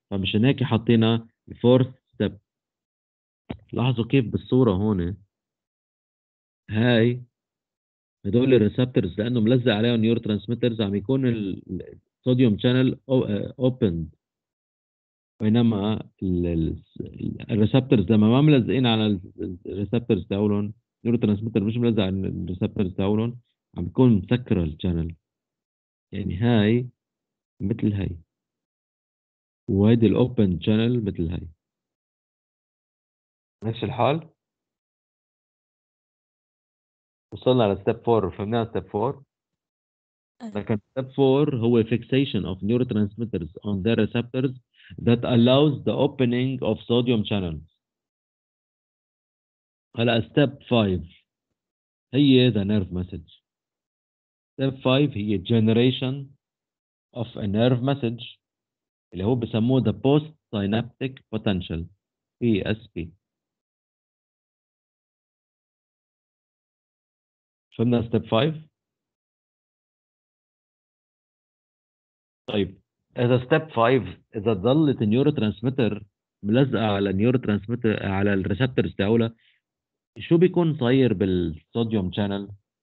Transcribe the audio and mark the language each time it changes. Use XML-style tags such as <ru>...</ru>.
<ar>فمش هناك حطينا فورث ستيب. لاحظوا كيف بالصوره هون هاي هدول الريسبترز لانه ملزق عليهم نيورو ترانسميترز عم يكون الصوديوم شانل اوبن، بينما الريسبترز لما ما ملزقين على الريسبترز تاعولهم نيورو ترانسميتر مش ملزق على الريسبترز تاعولهم، عم بيكون مسكر الشانل. يعني هاي مثل هاي وهيدي الاوبن شانل مثل هاي، نفس الحال. وصلنا على ستيب 4، فهمناها ستيب 4. لكن ستيب 4 هو</ar> <en>fixation of neurotransmitters on their receptors that allows the opening of sodium channels.</en> <ar>هلا ستيب 5 هي</ar> <en>the nerve message.</en> <ar>ستيب 5 هي</ar> <en>generation of a nerve message</en> <ar>اللي هو بسموه</ar> <en>the post synaptic potential PSP.</en> <ar>فهمنا ستيب 5؟ طيب اذا ستيب 5 اذا ظلت النيورو ترانسميتر ملزقه على النيورو ترانسميتر على الريسبتورز تاعولها، شو بيكون صاير بالصوديوم شانل؟</ar>